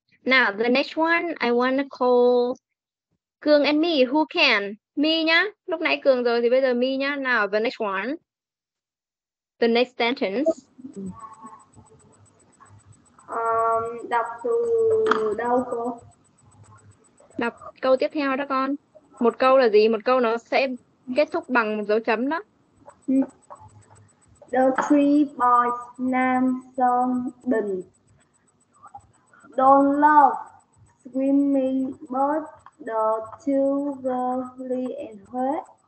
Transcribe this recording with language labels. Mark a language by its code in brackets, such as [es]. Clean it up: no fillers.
[en] Now the next one I want to call Cường and me, who can? [vi] Me nhá. Lúc nãy Cường rồi thì bây giờ me nhá. [en] Now the next one. The next sentence. [vi] Đọc từ đâu cô? Đọc câu tiếp theo đó con. Một câu là gì? Một câu nó sẽ kết thúc bằng một dấu chấm đó. [en] The three boys Nam Sơn Bình don't love swimming but the two girls Lee and Huế.